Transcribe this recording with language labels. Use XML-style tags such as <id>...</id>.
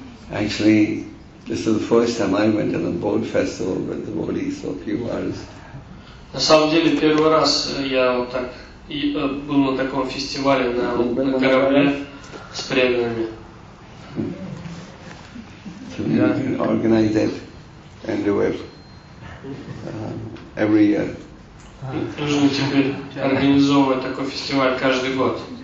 <en>Actually, this is the first time I went to the boat festival with the devotees for a few hours.</en> <ru>На самом деле первый раз я вот так был на таком фестивале на корабле с преданными.</ru> <en>So we can organize it and do it every year.</en> <ru>Нужно теперь организовывать такой фестиваль каждый год.</ru>